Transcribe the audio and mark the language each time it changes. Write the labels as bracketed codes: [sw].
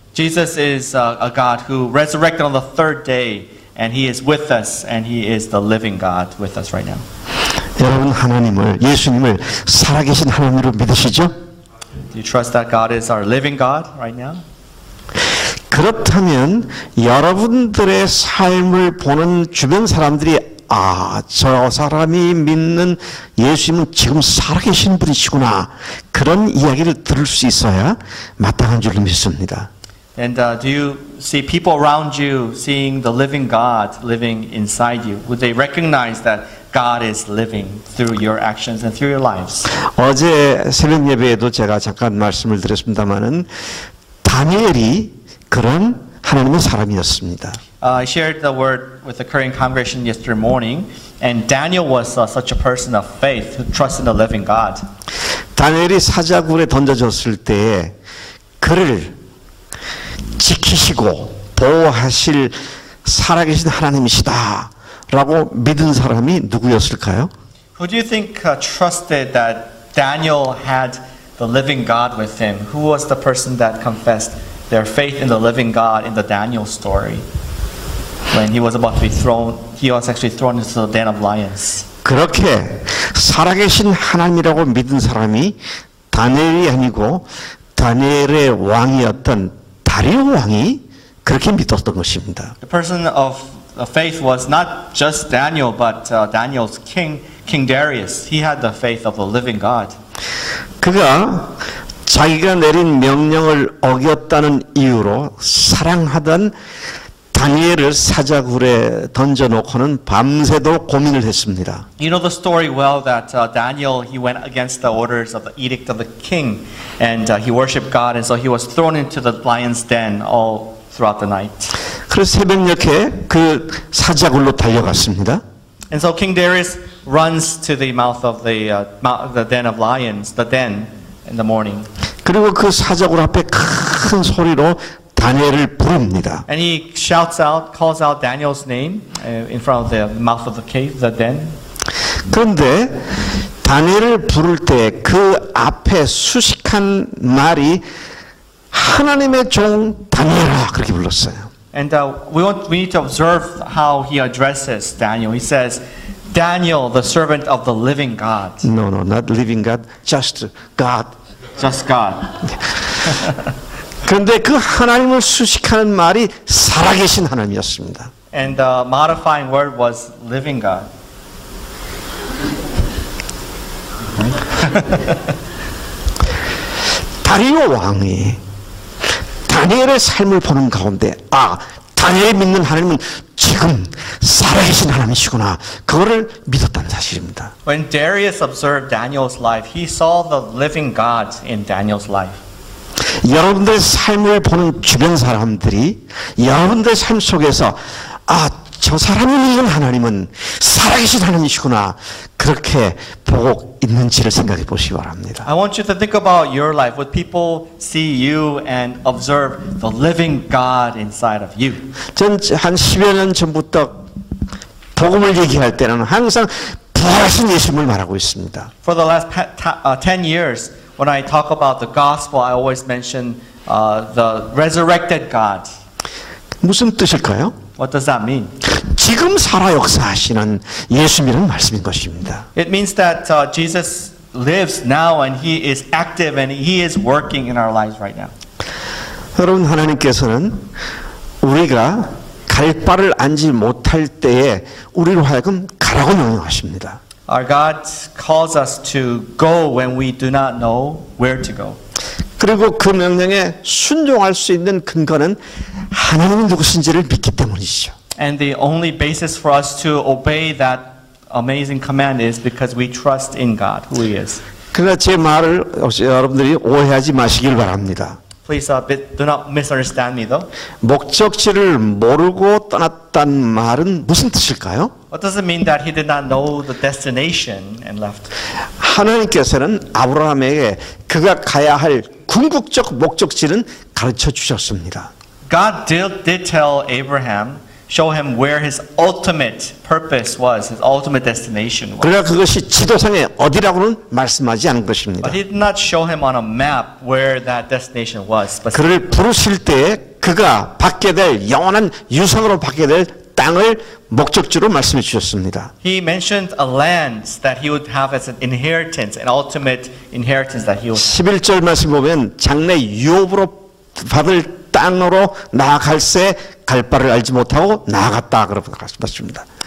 [en] Jesus is a God who resurrected on the third day, and He is with us, and He is the living God with us right now. [ko] 여러분 하나님을, 예수님을 살아계신 하나님으로 믿으시죠? [en] Do you trust that God is our living God right now? [ko] 그렇다면 여러분들의 삶을 보는 주변 사람들이 아, 저 사람이 믿는 예수님은 지금 살아계신 분이시구나 그런 이야기를 들을 수 있어야 마땅한 줄로 믿습니다. [en] And do you see people around you seeing the living God living inside you? Would they recognize that God is living through your actions and through your lives? [ko] 어제 새벽 예배에도 제가 잠깐 말씀을 드렸습니다만은 다니엘이 그런 하나님의 사람이었습니다. [en] I shared the word with the Korean congregation yesterday morning, and Daniel was such a person of faith who trusted in the living God. [ko] 다니엘이 사자굴에 던져졌을 때에 그를 지키시고 보호하실 살아계신 하나님이시다라고 믿은 사람이 누구였을까요? [en] Who do you think trusted that Daniel had the living God with him? Who was the person that confessed their faith in the living God in the Daniel story when he was about to be thrown? He was actually thrown into the den of lions. [ko] 그렇게 살아계신 하나님이라고 믿은 사람이 다니엘이 아니고 다니엘의 왕이었던 다리오 왕이 그렇게 믿었던 것입니다. [en] The person of the faith was not just Daniel, but Daniel's king, King Darius. He had the faith of the living God. [ko] 그가 자기가 내린 명령을 어겼다는 이유로 사랑하던 다니엘을 사자굴에 던져놓고는 밤새도록 고민을 했습니다. [en] You know the story well that Daniel, he went against the orders of the edict of the king, and he worshipped God, and so he was thrown into the lion's den all throughout the night. [ko] 그래서 새벽녘에 그 사자굴로 달려갔습니다. [en] And so King Darius runs to the mouth of the den of lions, the den in the morning. [ko] 그리고 그 사자굴 앞에 큰 소리로 다니엘을 부릅니다. [en] And he shouts out, calls out Daniel's name in front of the mouth of the cave, the den. [ko] 그런데 다니엘을 부를 때 그 앞에 수식한 말이 하나님의 종 다니엘아 그렇게 불렀어요. [en] And we need to observe how he addresses Daniel. He says, "Daniel, the servant of the living God." No, not living God, just God. Just God. [ko] 그런데 그 하나님을 수식하는 말이 살아계신 하나님이었습니다. [en] And the modifying word was living God. [ko] 다리오 왕이 다니엘의 삶을 보는 가운데 아, 다니엘 믿는 하나님은 지금 살아계신 하나님이시구나. 그거를 믿었다는 사실입니다. [en] When Darius observed Daniel's life, he saw the living God in Daniel's life. [ko] 여러분들 삶을 보는 주변 사람들이 여러분들 삶 속에서 아, 저 사람이 믿는 하나님은 살아계신 하나님이시구나 그렇게 보고 있는지를 생각해 보시기 바랍니다. [en] I want you to think about your life. Would people see you and observe the living God inside of you? [ko] 전 한 10여 년 전부터 복음을 얘기할 때는 항상 부활하신 예수님을 말하고 있습니다. [en] For the last 10 years, when I talk about the gospel, I always mention the resurrected God. [ko] 무슨 뜻일까요? [en] What does that mean? [ko] 지금 살아 역사하시는 예수님이라는 말씀인 것입니다. [en] It means that Jesus lives now and He is active and He is working in our lives right now. [ko] 여러분 하나님께서는 우리가 갈 바를 안지 못할 때에 우리로 하여금 가라고 명령하십니다. [en] Our God calls us to go when we do not know where to go. [ko] 그리고 그 명령에 순종할 수 있는 근거는 하나님이 누구신지를 믿기 때문이죠. [en] And the only basis for us to obey that amazing command is because we trust in God, who He is. [ko] 그러나 제 말을 여러분들이 오해하지 마시길 바랍니다. [en] Please do not misunderstand me, though. [ko] 목적지를 모르고 떠났단 말은 무슨 뜻일까요? [en] What does it mean that he did not know the destination and left? [ko] 하나님께서는 아브라함에게 그가 가야 할 궁극적 목적지는 가르쳐 주셨습니다. [en] God did tell Abraham, show him where his ultimate purpose was, his ultimate destination was. [ko] 그러나 그것이 지도상에 어디라고는 말씀하지 않은 것입니다. [en] But he did not show him on a map where that destination was. [ko] 그를 부르실 때 그가 받게 될 영원한 유산으로 받게 될 땅을 목적지로 말씀해 주셨습니다. [en] He mentioned a land that he would have as an inheritance, an ultimate inheritance that he would. [ko] 11절 말씀 보면 장래 유업으로 받을 땅으로 나아갈 새 갈 바를 알지 못하고 나아갔다 그러고 말씀하십니다.